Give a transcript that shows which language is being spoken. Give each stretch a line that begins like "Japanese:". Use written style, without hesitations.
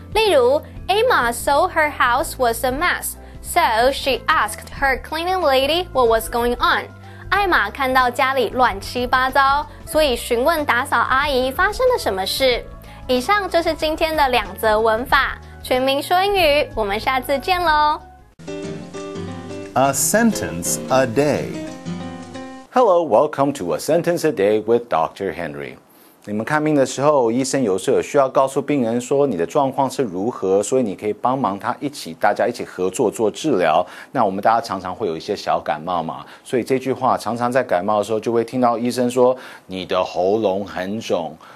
Chinese: 例如
English: Emma saw her house was a mess, so she asked her cleaning lady what was going on.
Chinese: 艾玛看到家里乱七八糟，所以询问打扫阿姨发生了什么事。以上就是今天的两则文法，全民说英语，我们下次见咯。
English: A sentence a day. Hello, welcome to A Sentence a Day with Dr. Henry.
Chinese: 你们看病的时候，医生有时候有需要告诉病人说你的状况是如何，所以你可以帮忙他一起，大家一起合作做治疗。那我们大家常常会有一些小感冒嘛，所以这句话常常在感冒的时候就会听到医生说你的喉咙很肿。